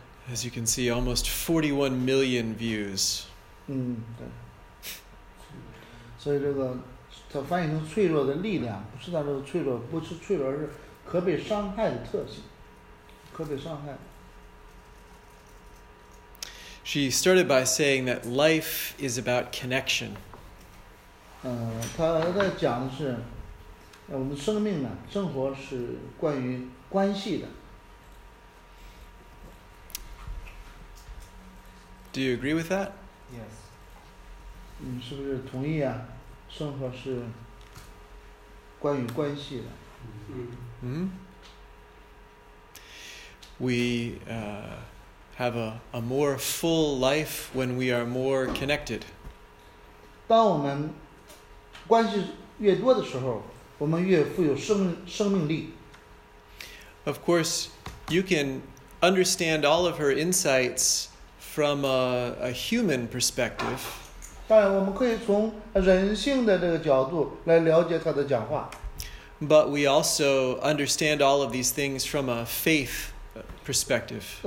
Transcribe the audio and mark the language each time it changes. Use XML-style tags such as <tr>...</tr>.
<en>As you can see, almost 41 million views. She started by saying that life is about connection.</en> <zh>她在讲的是 我们生命呢，生活是关于关系的。</zh> <en>Do you agree with that? Yes.</en> <zh>你是不是同意啊？生活是关于关系的。 Mm-hmm.</zh> <en>We have a more full life when we are more connected.</en> <zh>当我们关系越多的时候， 我们越富有生命力。</zh> <en>Of course, you can understand all of her insights from a human perspective.</en> <zh>当然我们可以从人性的这个角度来了解她的讲话。</zh> <en>But we also understand all of these things from a faith perspective.</en>